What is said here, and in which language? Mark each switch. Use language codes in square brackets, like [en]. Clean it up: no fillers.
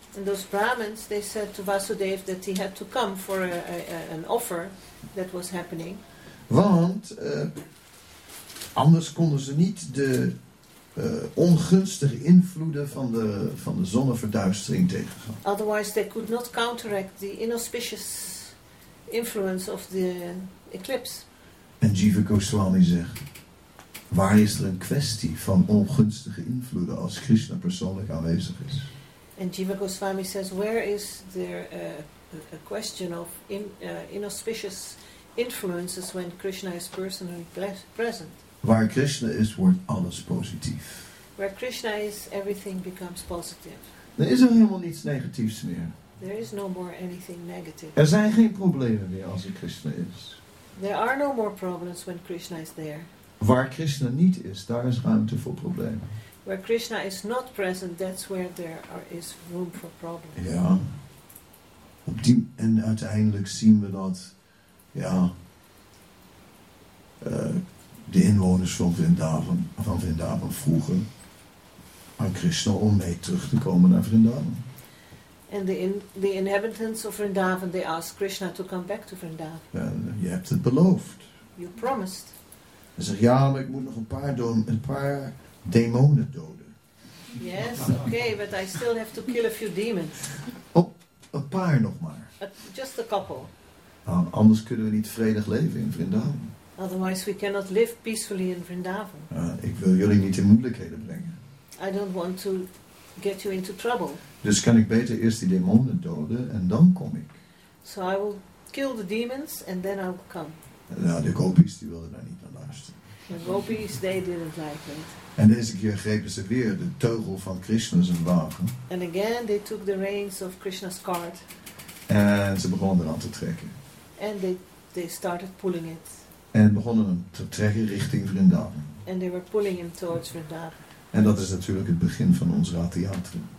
[en] And those Brahmins, they said to Vasudev that he had to come for an offer that was happening. [nl] Want anders konden ze niet de ongunstige invloeden van de zonneverduistering tegengaan. [en] Otherwise they could not counteract the inauspicious influence of the eclipse. [nl] En Jiva Goswami zegt, waar is er een kwestie van ongunstige invloeden als Krishna persoonlijk aanwezig is? [en] And Jiva Goswami says, where is there a question of inauspicious influences when Krishna is personally present? [nl] Waar Krishna is, wordt alles positief. [en] Where Krishna is, everything becomes positive. [nl] Er is er helemaal niets negatiefs meer. [en] There is no more anything negative. [nl] Er zijn geen problemen meer als er Krishna is. [en] There are no more problems when Krishna is there. [nl] Waar Krishna niet is, daar is ruimte voor problemen. [en] Where Krishna is not present, that's where there is room for problems. [nl] Ja. En uiteindelijk zien we dat, ja, de inwoners van Vrindavan vroegen aan Krishna om mee terug te komen naar Vrindavan. [en] And the inhabitants of Vrindavan, they ask Krishna to come back to Vrindavan. [nl] En je hebt het beloofd. [en] You promised. [nl] Hij zegt, ja, maar ik moet nog een paar demonen doden. [en] Yes, okay, but I still have to kill a few demons. [nl] Oh, een paar nog maar. [en] Just a couple. [nl] Anders kunnen we niet vredig leven in Vrindavan. [en] Otherwise we cannot live peacefully in Vrindavan. [nl] Ik wil jullie niet in moeilijkheden brengen. [en] I don't want to get you into trouble. [nl] Dus kan ik beter eerst die demonen doden en dan kom ik. [en] So I will kill the demons and then I will come. [nl] Nou, de gopis die wilden daar niet naar luisteren. [en] The gopis, they didn't like it. [nl] En deze keer grepen ze weer de teugel van Krishna's wagen. [en] And again they took the reins of Krishna's cart. [nl] En ze begonnen eraan te trekken. [en] And they started pulling it. [nl] En begonnen hem te trekken richting Vrindavan. [en] And they were pulling him towards Vrindavan. [nl] En dat is natuurlijk het begin van ons Rathyatra.